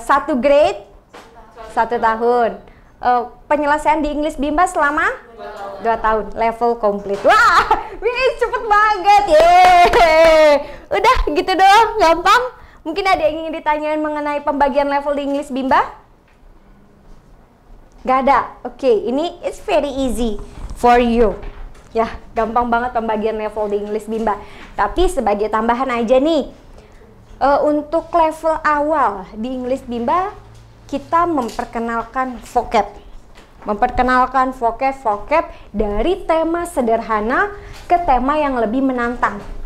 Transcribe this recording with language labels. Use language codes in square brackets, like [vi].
[id] Satu grade? 1 tahun. Penyelesaian di Inggris Bimba selama? 2 tahun. [en] Level complete. [id] Wah, wih, cepet banget. Yeay. Udah gitu doang, gampang. Mungkin ada yang ingin ditanyain mengenai pembagian level di Inggris Bimba? Gak ada. Oke, ini [en] it's very easy for you. [id] Ya, gampang banget pembagian level di Inggris Bimba. Tapi sebagai tambahan aja nih, untuk level awal di Inggris Bimba, kita memperkenalkan vocab. Memperkenalkan vocab dari tema sederhana ke tema yang lebih menantang.